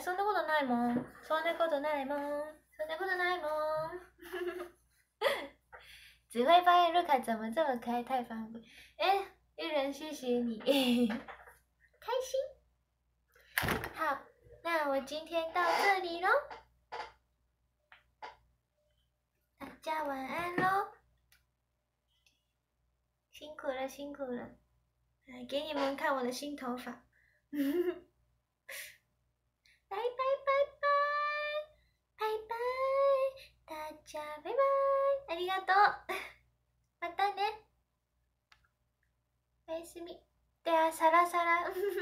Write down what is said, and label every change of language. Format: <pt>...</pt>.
<ja>そんなことないもん、そんなことないもん、そんなことないもん。</ja> <zh>只会发现ルカ怎么这么可爱，太方便。え、一人谢谢你，开心。好，那我今天到这里咯，大家晚安咯，辛苦了辛苦了，来给你们看我的新头发。拜拜拜拜拜拜，大家拜拜，</zh> <ja>ありがとう。またね。おやすみ。ではさらさら。</ja>